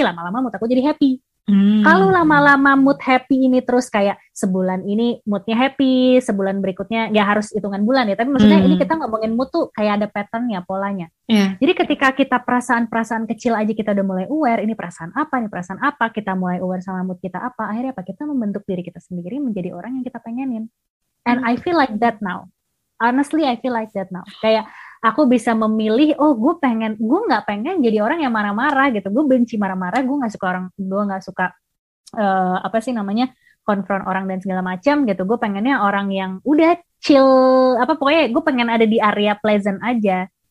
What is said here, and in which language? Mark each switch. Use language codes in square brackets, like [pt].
[id] Lama-lama mood aku jadi happy. Kalau lama-lama mood happy ini terus kayak sebulan ini moodnya happy, sebulan berikutnya gak harus hitungan bulan ya, tapi maksudnya ini kita ngomongin mood tuh kayak ada patternnya, polanya. Jadi ketika kita perasaan-perasaan kecil aja kita udah mulai aware, ini perasaan apa, ini perasaan apa, kita mulai aware sama mood kita apa, akhirnya apa, kita membentuk diri kita sendiri menjadi orang yang kita pengenin. [en] And I feel like that now, honestly I feel like that now. [id] Kayak aku bisa memilih, oh gue gak pengen jadi orang yang marah-marah gitu. Gue benci marah-marah, gue gak suka orang, gue gak suka, apa sih namanya, konfront orang dan segala macam gitu. Gue pengennya orang yang udah chill, apa pokoknya gue pengen ada di area pleasant aja.